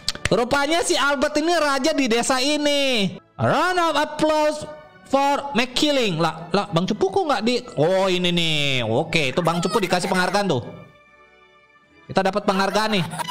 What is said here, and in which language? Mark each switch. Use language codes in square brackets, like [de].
[id] Rupanya si Albert ini raja di desa ini. [en] Round of applause for McKilling. [id] Lah, Bang Cupu kok enggak di. Oh, ini nih. Oke, itu Bang Cupu dikasih penghargaan tuh. Kita dapat penghargaan nih.